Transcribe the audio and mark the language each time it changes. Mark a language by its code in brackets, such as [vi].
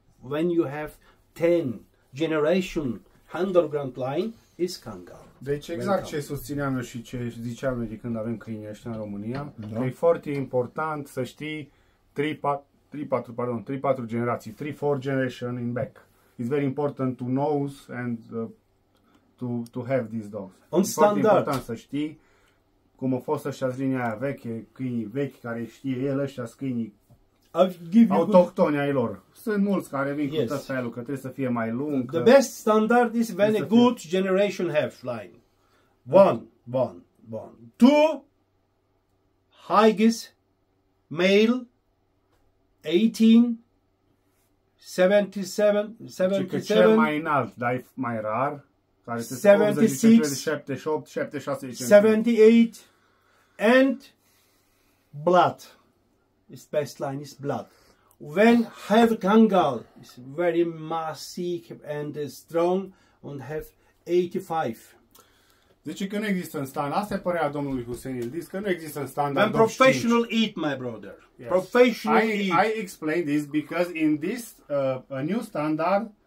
[en] When you have 10 generation 100 grand line is Kangal. [ro] Deci exact ce susțineam și ce ziceam noi de când avem câinii ăștia în România, da. E foarte important să știi 3-4 generații, [en] 3-4 generation in back. It's very important to know and to have these dogs. On standard. [ro] Foarte important să știi cum a fost ăștia linia aia veche, câinii vechi care știe el ăștia câinii autohtoni ai lor. Sunt mulți care vin, yes, cu tot felul, că trebuie să fie mai lung. [en] The best standard is when a good generation have line. One. Two, Haiges, male, 18, 77. [ro] Ce cel mai înalt, dar mai rar. Care 76. 78, 76. [en] 78. And blood. Its best line is blood. When have Kangal is very massive and strong and have 85. [ro] Deci că nu există în standard. Asta e părerea domnului Husein Ildiz, că nu există în standard. [en] When professional eat, my brother. Yes. Professional I explain this because in this new standard